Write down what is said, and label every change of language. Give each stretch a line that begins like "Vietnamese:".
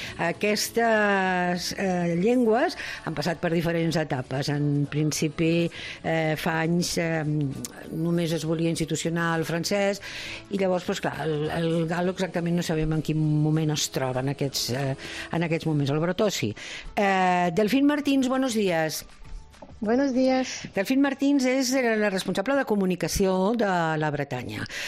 Catalan: Aquestes llengües han passat per diferents etapes. En principi, fa anys, només es volia institucionar el francès, i llavors, doncs clar, el galo exactament no sabem en quin moment es troba en aquests moments, el bretó sí.
Spanish: Delfín Martins, buenos días. Buenos días.
Catalan: Delfín Martins és la responsable de comunicació de la Bretanya.